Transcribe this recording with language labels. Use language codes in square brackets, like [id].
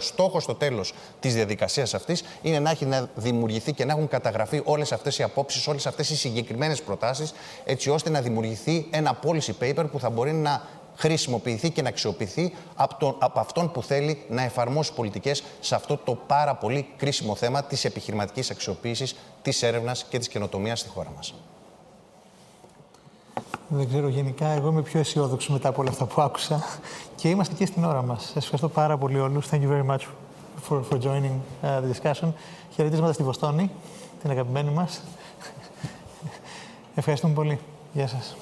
[el] Στόχος στο τέλος της διαδικασίας αυτής είναι να έχει να δημιουργηθεί και να έχουν καταγραφεί όλες αυτές οι απόψεις, όλες αυτές οι συγκεκριμένες προτάσεις, έτσι ώστε να δημιουργηθεί ένα policy paper που θα μπορεί να χρησιμοποιηθεί και να αξιοποιηθεί από αυτόν που θέλει να εφαρμόσει πολιτικές σε αυτό το πάρα πολύ κρίσιμο θέμα της επιχειρηματικής αξιοποίησης, της έρευνας και της καινοτομίας στη χώρα μας. Δεν ξέρω, γενικά εγώ είμαι πιο αισιόδοξος μετά από όλα αυτά που άκουσα και είμαστε και στην ώρα μας. Σας ευχαριστώ πάρα πολύ όλους. [en] Thank you very much for joining the discussion. [el] Χαιρετίσματα στη Βοστόνη, την αγαπημένη μας. Ευχαριστούμε πολύ. Γεια σας.